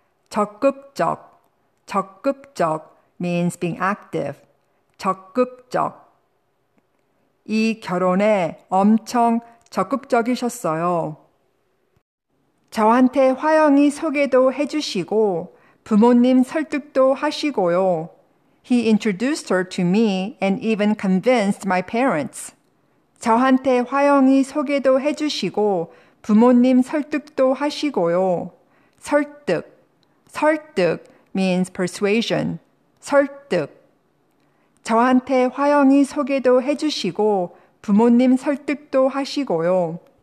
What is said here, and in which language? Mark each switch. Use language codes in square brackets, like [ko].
[en] 적극적, 적극적 means being active. [ko] 적극적. 이 결혼에 엄청 적극적이셨어요. 저한테 화영이 소개도 해주시고 부모님 설득도 하시고요. [en] He introduced her to me and even convinced my parents. [ko] 저한테 화영이 소개도 해주시고 부모님 설득도 하시고요. 설득. 설득 [en] means persuasion. [ko] 설득. 저한테 화영이 소개도 해주시고 부모님 설득도 하시고요.